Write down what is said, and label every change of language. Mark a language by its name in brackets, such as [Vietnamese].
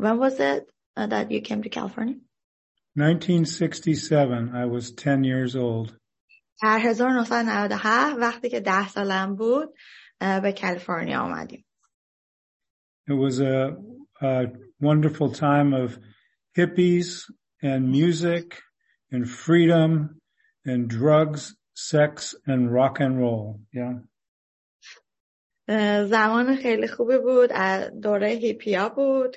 [English] When was it that you came to California? 1967, I was 10 years old. [Persian] در 1997 وقتی که 10 سالم بود به کالیفرنیا اومدیم. [English] It was a wonderful time of hippies and music and freedom and drugs, sex and rock and roll. Yeah. [Persian] زمان خیلی خوبی بود. دوره هیپیا بود.